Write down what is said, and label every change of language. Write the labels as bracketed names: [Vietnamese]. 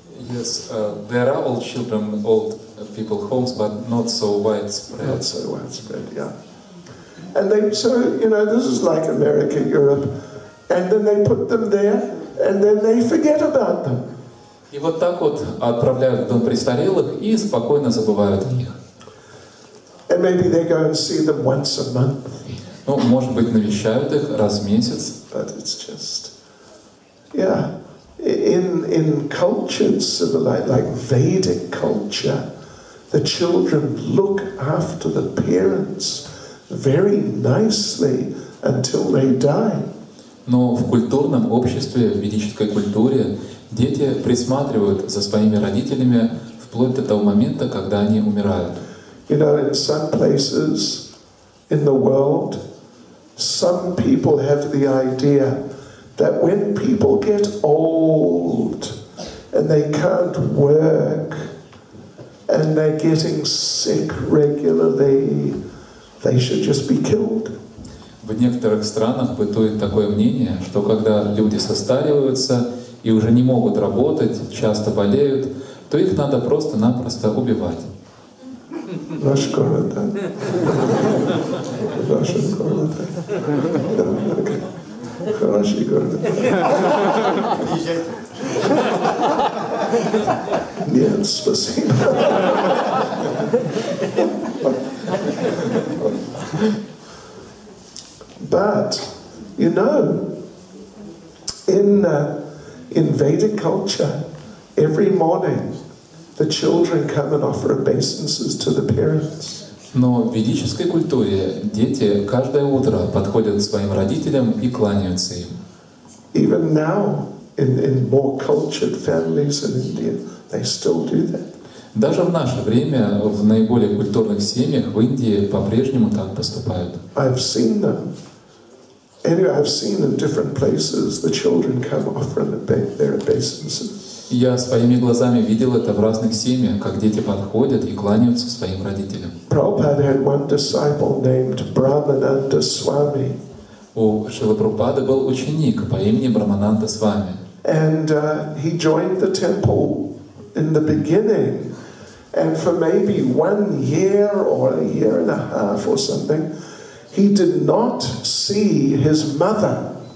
[English] Yes, there are old people homes, but not so widespread. Not so widespread, yeah. And they, so, you know, this is like America, Europe, and then they put them there, and then they forget about them. [Russian] И вот так вот отправляют в дом престарелых и спокойно забывают о них. [English] And maybe they go and see them once a month. [Russian] Ну, может быть, навещают их раз в месяц. [English] But it's just, yeah, in cultures like Vedic culture, the children look after the parents very nicely until they die. [Russian] Но в культурном обществе, в ведической культуре, дети присматривают за своими родителями вплоть до того момента, когда они умирают. [English] You know, in some places in the world, some people have the idea that when people get old and they can't work and they're getting sick regularly, they should just be killed. [Russian] В некоторых странах бытует такое мнение, что когда люди состариваются и уже не могут работать, часто болеют, то их надо просто-напросто убивать. Наш город, да? Наш город, да? Хороший город. Нет, спасибо. [English] But, you know, in Vedic culture, every morning, the children come and offer obeisances to the parents. [Russian] Но в ведической культуре дети каждое утро подходят к своим родителям и кланяются им. [English] Even now, in more cultured families in India, they still do that. [Russian] Даже в наше время в наиболее культурных семьях в Индии по-прежнему так поступают. [English] I've seen them. Anyway, I've seen in different places the children come offering their obeisances. [Russian] Я своими глазами видел это в разных семьях, как дети подходят и кланяются своим родителям. [English] Prabhupada had one disciple named Brahmananda Swami. [Russian] У Шрилы Прабхупады был ученик по имени Брахмананда Свами. [English] And he joined the temple in the beginning, and for maybe one year or a year and a half or something, he did not see his mother.